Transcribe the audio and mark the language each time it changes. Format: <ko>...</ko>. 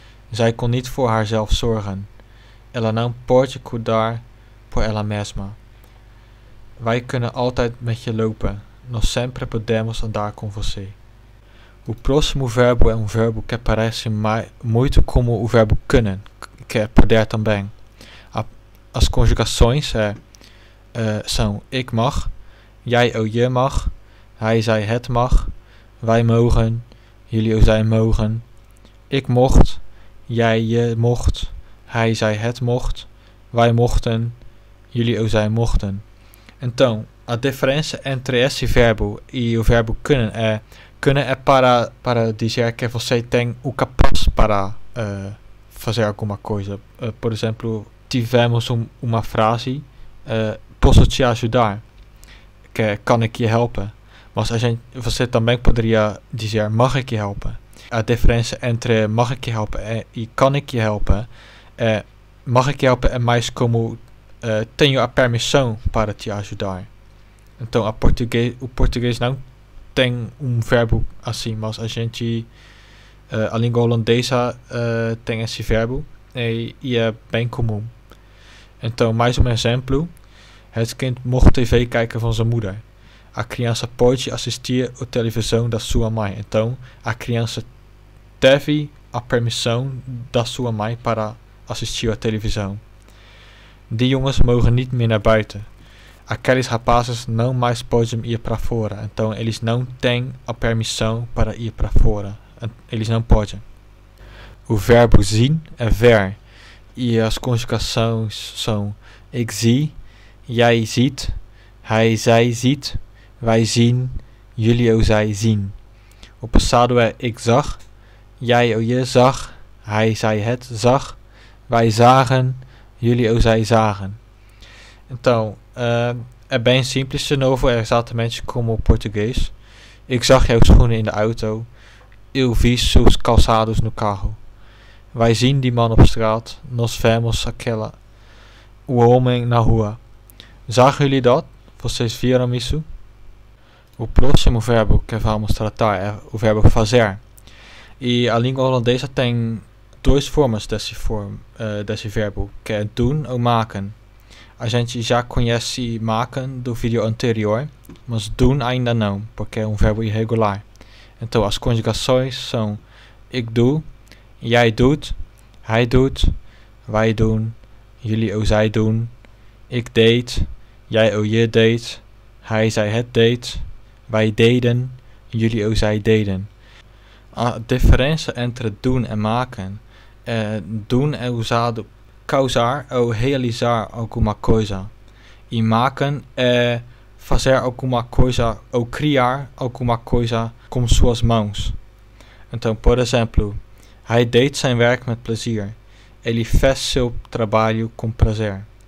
<nl>Zij kon niet voor haarzelf zorgen.</nl> <pt>Ela não pode cuidar por ela mesma.</pt> <nl>Wij kunnen altijd met je lopen.</nl> <pt>Nós sempre podemos andar com você. O próximo verbo é verbo que parece muito como o verbo kunnen, que é poder também. As conjugações são</pt> <nl>ik mag, jij ou je mag, hij zij het mag, wij mogen, jullie ou zij mogen, ik mocht, jij je mocht, hij zij het mocht, wij mochten, jullie ou zij mochten.</nl> <pt>Então, a diferença entre esse verbo e o verbo kunnen é para dizer que você tem o capaz para fazer alguma coisa. Por exemplo, tivemos uma frase, posso te ajudar, que é,</pt> <nl>kan ik je helpen?</nl> <pt>Mas você também poderia dizer,</pt> <nl>mag ik je helpen?</nl> <pt>A diferença entre</pt> <nl>mag ik je helpen</nl> <pt>e</pt> <nl>kan ik je helpen,</nl> <pt>mag ik je helpen é mais como, tenho a permissão para te ajudar. Então, o português não tem verbo assim, mas a língua holandesa tem esse verbo e é bem comum. Então, mais exemplo.</pt> <nl>Het kind mocht tv kijken van zijn moeder.</nl> <pt>A criança pode assistir a televisão da sua mãe. Então, a criança teve a permissão da sua mãe para assistir a televisão.</pt> <nl>Die jongens mogen niet meer naar buiten.</nl> <pt>Aqueles rapazes não mais podem ir para fora. Então, eles não têm a permissão para ir para fora. Eles não podem. O verbo zien é ver. E as conjugações são</pt> <nl>ik zie, jij ziet, hij zij ziet, wij zien, jullie ou zij zien.</nl> <pt>O passado é</pt> <nl>ik zag, jij ou je zag, hij zij het zag, wij zagen, jullie ou zij zagen.</nl> <pt>Então, é bem simples de novo, é exatamente como o português.</pt> <nl>Ik zag jouw schoenen in de auto,</nl> <pt>eu vi seus calçados no carro.</pt> <nl>Wij zien die man op straat.</nl> <pt>Nós vemos aquela. O homem na rua.</pt> <nl>Zagen jullie dat?</nl> <pt>Vocês viram isso? O próximo verbo que vamos tratar é o verbo fazer. E a língua holandesa tem duas formas desse verbo. Que é doen ou maken. A gente já conhece maken do vídeo anterior. Mas doen ainda não. Porque é verbo irregular. Então as conjugações são.</pt> <nl>Ik doe. Jij doet, hij doet, wij doen, jullie ou zij doen, ik deed, jij ou je deed, hij zij het deed, wij deden, jullie ou zij deden.</nl> <pt>A diferença entre doen en maken. Doen é usado causar ou realizar alguma coisa. E maken é fazer alguma coisa ou criar alguma coisa com suas mãos. Então, por exemplo,</pt> <nl>hij deed zijn werk met plezier.</nl> <pt>Ele fez seu trabalho com prazer.</pt>